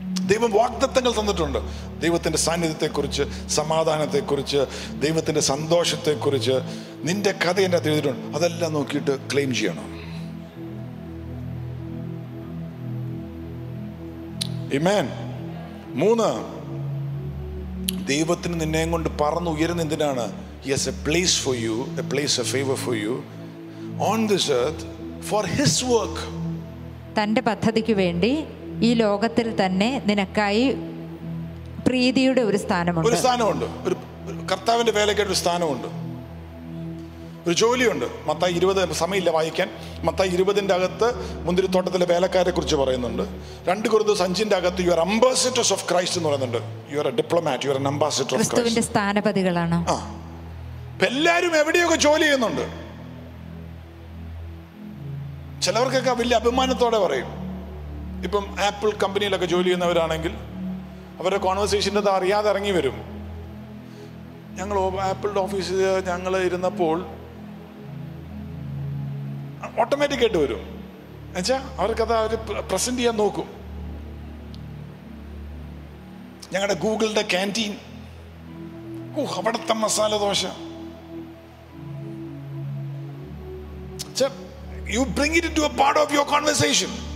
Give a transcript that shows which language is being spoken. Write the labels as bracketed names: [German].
[Malayalam] ദൈവം വാഗ്ദത്തങ്ങൾ തന്നിട്ടുണ്ട്, ദൈവത്തിന്റെ സാന്നിധ്യത്തെക്കുറിച്ച്, സമാധാനത്തെക്കുറിച്ച്, ദൈവത്തിന്റെ സന്തോഷത്തെക്കുറിച്ച്, നിന്റെ കഥ എന്റെ എഴുതിയിട്ടുണ്ട്. അതെല്ലാം നോക്കിയിട്ട് ക്ലെയിം ചെയ്യണം. ആമേൻ. മൂന്ന്, ദൈവത്തിന് നിന്നെയും കൊണ്ട് പറന്ന് ഉയരുന്ന എന്തിനാണ്? [English] He has a place for you, a place of favor for you on this earth for his work. [Malayalam] തന്റെ പദ്ധതിക്ക് വേണ്ടി ഈ ലോകത്തിൽ തന്നെ നിനക്കായി പ്രീതിയുടെ ഒരു സ്ഥാനമുണ്ട്. ഒരു സ്ഥാനമുണ്ട്, ഒരു കർത്താവിന്റെ വേലയ്ക്കായി ഒരു സ്ഥാനമുണ്ട്, ഒരു ജോലിയുണ്ട്. മത്തായി 20, സമയമില്ല വായിക്കാൻ, മത്തായി 20 അകത്ത് മുന്തിരിത്തോട്ടത്തിലെ വേലക്കാരെ കുറിച്ച് പറയുന്നുണ്ട്. 2 കൊരിന്ത്യർ 5 അകത്ത് [English] you are ambassadors of Christ [Malayalam] എന്ന് പറയുന്നുണ്ട്. [English] you are a diplomat, you are an ambassador of [Malayalam] ക്രിസ്തുവിന്റെ സ്ഥാനപതികളാണ്. എല്ലാരും എവിടെയൊക്കെ ജോലി ചെയ്യുന്നുണ്ട്. ചിലവർക്കൊക്കെ വലിയ അഭിമാനത്തോടെ പറയും. ഇപ്പം ആപ്പിൾ കമ്പനിയിലൊക്കെ ജോലി ചെയ്യുന്നവരാണെങ്കിൽ അവരുടെ കോൺവെർസേഷൻ്റെ അത് അറിയാതെ ഇറങ്ങി വരും. ഞങ്ങൾ ആപ്പിളിൻ്റെ ഓഫീസിൽ ഞങ്ങൾ ഇരുന്നപ്പോൾ ഓട്ടോമാറ്റിക്കായിട്ട് വരും. എന്നുവെച്ചാ അവർക്കത് അവർ പ്രസന്റ് ചെയ്യാൻ നോക്കും. ഞങ്ങളുടെ ഗൂഗിളിന്റെ ക്യാൻറ്റീൻ, ഓഹ് അവിടുത്തെ masala dosa. [English] You bring it into a part of your conversation.